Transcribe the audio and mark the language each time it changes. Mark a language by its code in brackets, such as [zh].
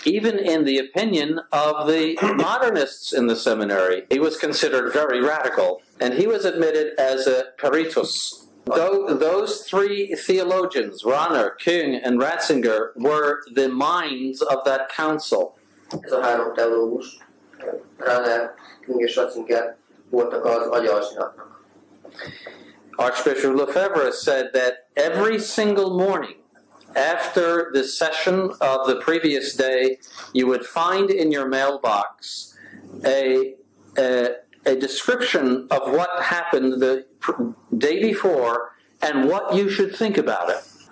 [en] Even in the opinion of the modernists in the seminary, he was considered very radical, and he was admitted as a peritus. Those three theologians, Runner, Kuhn, and Ratzinger, were the minds of that council. [hu] Ez a három teológus, Runner, Kuhn és Ratzinger, voltak az agyaznak. [en] Archbishop Lefebvre said that every single morning, after the session of the previous day, you would find in your mailbox a description of what happened the day before and what you should think about it.